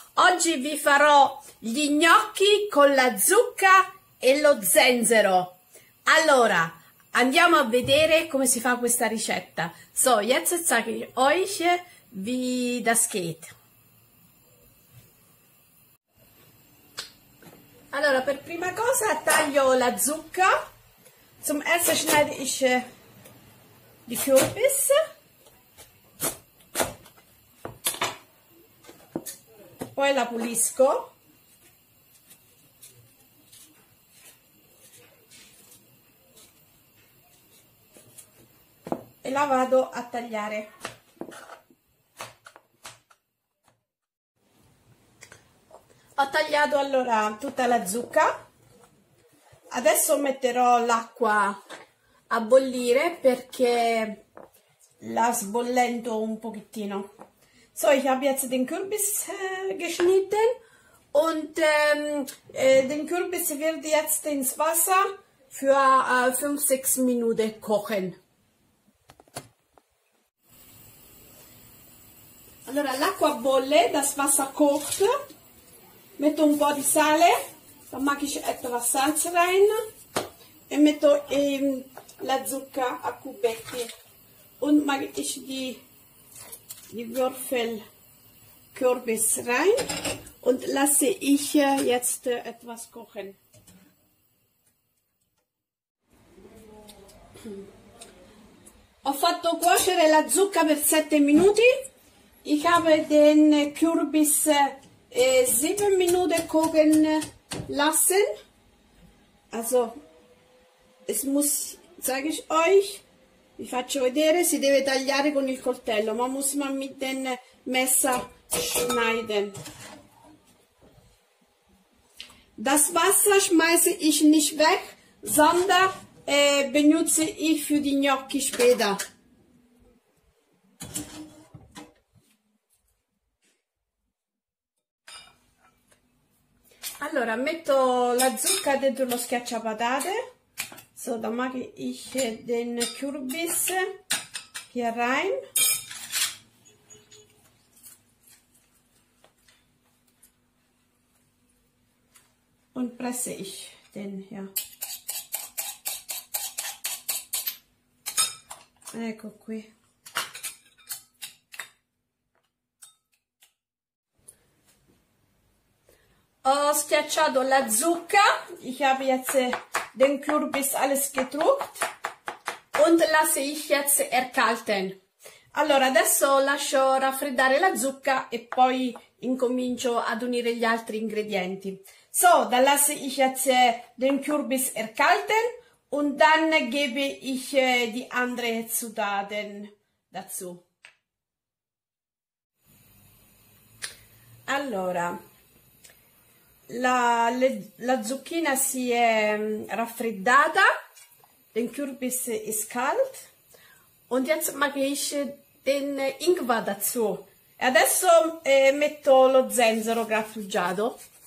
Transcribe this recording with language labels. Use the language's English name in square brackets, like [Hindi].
[Italian] Oggi vi farò gli gnocchi con la zucca e lo zenzero. Allora, andiamo a vedere come si fa questa ricetta. [German] So, jetzt zeige ich euch, wie das geht. [Italian] Allora, per prima cosa taglio la zucca. [German] Zum Ersten schneide ich die Kürbis [Italian] poi la pulisco e la vado a tagliare. Tagliato allora tutta la zucca. Adesso metterò l'acqua a bollire perché la sbollendo un pochettino. [German] So, ich habe jetzt den Kürbis geschnitten und den Kürbis werde jetzt ins Wasser für 5-6 Minuten kochen. [Italian] Allora, l'acqua bolle, [German] das Wasser kocht. [Italian] Metto un po' di sale, [German] dann mache ich etwas Salz rein [Italian] e metto la zucca a cubetti. [German] Und mache ich die Würfel Kürbis rein und lasse ich jetzt etwas kochen. [Italian] Ho fatto cuocere la zucca per 7 minuti. [German] Ich habe den Kürbis 7 Minuten kochen lassen. Also, es muss, sage ich euch. [Italian] Vi faccio vedere, si deve tagliare con il coltello, ma [German] muss man mit den Messer schneiden. Das Wasser schmeiße ich nicht weg, sondern benutze ich für die Gnocchi später. [Italian] Allora, metto la zucca dentro lo schiacciapatate. [German] So, da mache ich den Kürbis hier rein. Und presse ich den hier. [Italian] Ecco qui. Ho schiacciato la zucca. [German] Ich habe jetzt den Kürbis alles gedruckt und lasse ich jetzt erkalten. [Italian] Allora, adesso lascio raffreddare la zucca e poi incomincio ad unire gli altri ingredienti. [German] So, dann lasse ich jetzt den Kürbis erkalten und dann gebe ich die anderen Zutaten dazu. [Italian] Allora, la zucchina si è raffreddata, [German] den Kürbis ist kalt und jetzt mache ich den Ingwer dazu. [Italian] E adesso metto lo zenzero grattugiato.